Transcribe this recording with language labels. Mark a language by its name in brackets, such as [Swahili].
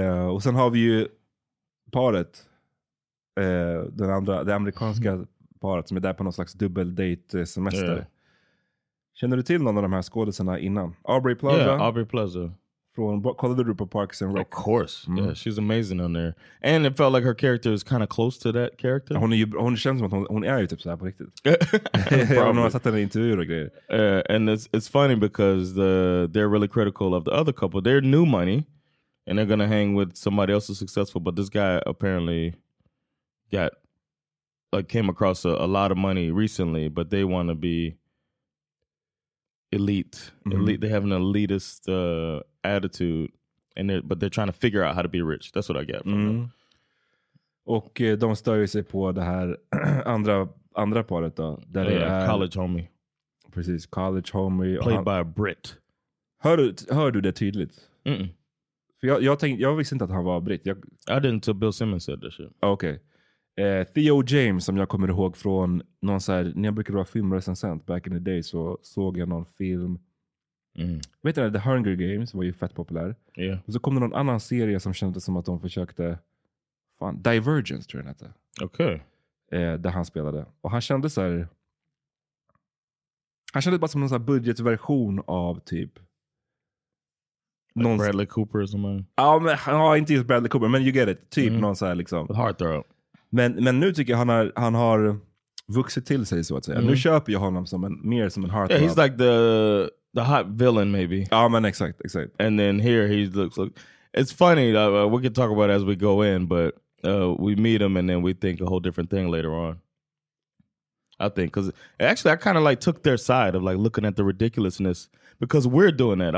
[Swedish] Och sen har vi ju paret, den andra, det amerikanska paret som är där på någon slags dubbel date semester. [English] Yeah. [Swedish] Känner du till någon av de här skådespelarna innan? Aubrey Plaza? [English] Yeah, Aubrey Plaza. [Swedish] Från, kollade du på Parks and Rec? [English] Of course. Mm. Yeah, she's amazing on there. And it felt like her character is kind of close to that character. [Swedish] Hon känns som att hon är ju typ så här på riktigt. Hon har satt henne i intervjuer och grejer. [English] And it's funny because they're really critical of the other couple. They're new money. And they're going to hang with somebody else who's successful. But this guy apparently came across a lot of money recently. But they want to be elite. They have an elitist attitude, and they're trying to figure out how to be rich. That's what I get from them. [Swedish] Och de stör ju sig på det här andra paret då, där [English] college homie. [Swedish] Precis, [English] college homie played by a Brit. [Swedish] Hör du det tydligt? För jag visste inte att han var britt. [English] I didn't until Bill Simmons said that shit. Okay. [Swedish] Theo James, som jag kommer ihåg från någon så här, när jag brukade vara filmrecensent [English] back in the day, [Swedish] så såg jag någon film. Vet du, The Hunger Games var ju fett populär. [English] Yeah. [Swedish] Och så kom det någon annan serie som kändes som att de försökte fan, Divergence tror jag heter. Okej. Där han spelade. Och han kände så här, han kände bara som en sån här budgetversion av typ [English] like [Swedish] någon, Bradley Cooper som en. Ja, inte just Bradley Cooper, men [English] you get it. [Swedish] Typ någon så här liksom. [English] Heartthrob. [Swedish] Men nu tycker jag han har vuxit till sig så att säga. Mm. Nu köper jag honom som en, mer som en heartthrob. [English] Yeah, he's like the hot villain maybe. [Swedish] Ja, men exakt. [English] And then here he looks like, it's funny, we can talk about it as we go in, but we meet him and then we think a whole different thing later on. I think, because actually I kind of like took their side of like looking at the ridiculousness, because we're doing that.